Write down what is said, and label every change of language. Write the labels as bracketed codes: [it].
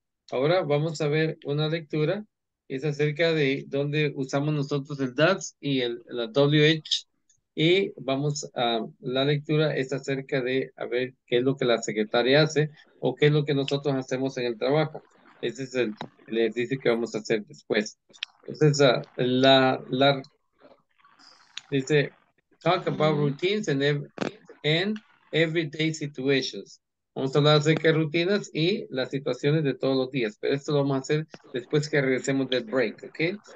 [es] Ahora vamos a ver una lectura. Es acerca de dónde usamos nosotros el does y la WH. Y vamos a la lectura. Es acerca de a ver qué es lo que la secretaria hace o qué es lo que nosotros hacemos en el trabajo. Ese es el que les dice que vamos a hacer después. Entonces, la dice, [en] talk about routines and everyday situations. [es] Vamos a hablar acerca de rutinas y las situaciones de todos los días. Pero esto lo vamos a hacer después que regresemos del break, ¿ok?